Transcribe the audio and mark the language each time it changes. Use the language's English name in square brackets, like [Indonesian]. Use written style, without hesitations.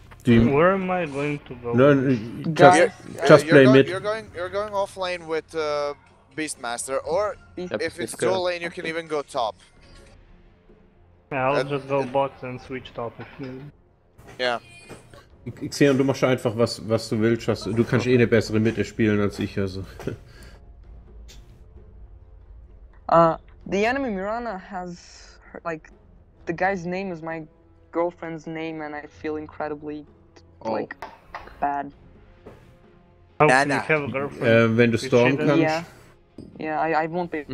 [English] Where am I going to go? No, just play mid. You're going off lane with Beastmaster, or if it's dual lane, you can even go top. Yeah, I'll just go bot and switch top if needed. Yeah. [German] Xeon, du machst einfach was du willst. Du kannst eh eine bessere Mitte spielen als ich, also. [English] The enemy Mirana has like the guy's name is my girlfriend's name and I feel incredibly like bad. Oh, you have a girlfriend. [German] Wenn du Storm kannst. [English] Yeah, I won't be able